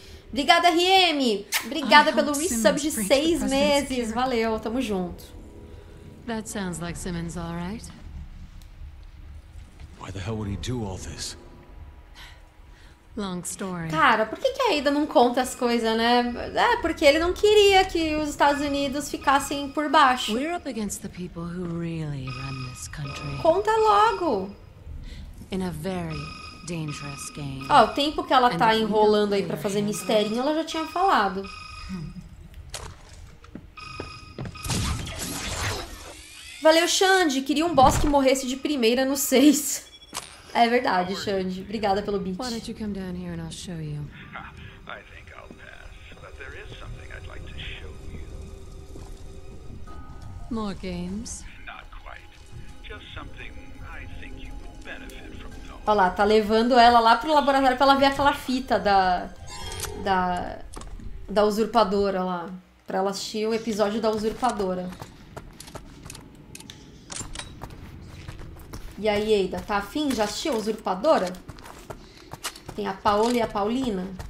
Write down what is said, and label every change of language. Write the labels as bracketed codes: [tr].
[pt] Obrigada, RM! Obrigada pelo resub de 6 meses! Valeu, tamo junto. [en] That sounds like Simmons, all right. Why the hell would he do all this? Long story. [pt] Cara, por que que a Ada não conta as coisas, né? É porque ele não queria que os Estados Unidos ficassem por baixo. [en] We're up against the people who really run this country. [pt] Conta logo. [en] In a very dangerous game. [pt] Ó, o tempo que ela tá enrolando aí pra fazer mistério, ela já tinha falado. Valeu, Xande. Queria um boss que morresse de primeira no 6. É verdade, Xande. Obrigada pelo beat. [en] Why don't you come down here and I'll show you? I think I'll pass, but there is something I'd like to show you. More games? Not quite. Just something I think you would benefit from knowing. [pt] Olha lá, tá levando ela lá pro laboratório pra ela ver aquela fita da usurpadora lá. Pra ela assistir o episódio da usurpadora. E aí, Ada, tá afim? Já assistiu a Usurpadora? Tem a Paola e a Paulina.